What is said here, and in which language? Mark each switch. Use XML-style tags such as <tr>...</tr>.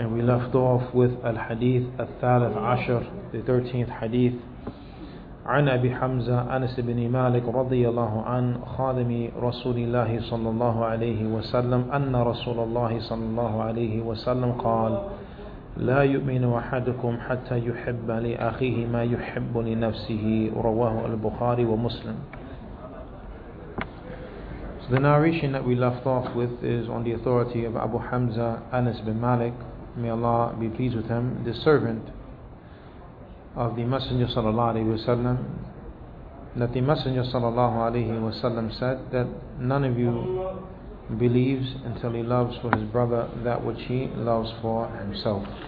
<en>And we left off with</en> <ar>al-hadith al-thalith ashar,</ar> <en>the 13th hadith.</en> <ar>عن أبي حمزة أنس بن مالك رضي الله عن خادم رسول الله صلى الله عليه وسلم أن رسول الله صلى الله عليه وسلم قال لا يؤمن أحدكم حتى يحب لأخيه ما يحب لنفسه رواه البخاري ومسلم.</ar> <en>So the narration that we left off with is on the authority of Abu Hamza Anas bin Malik, may Allah be pleased with him, the servant of the Messenger sallallahu alaihi wasallam, that the Messenger sallallahu alaihi wasallam said that none of you believes until he loves for his brother that which he loves for himself.</en>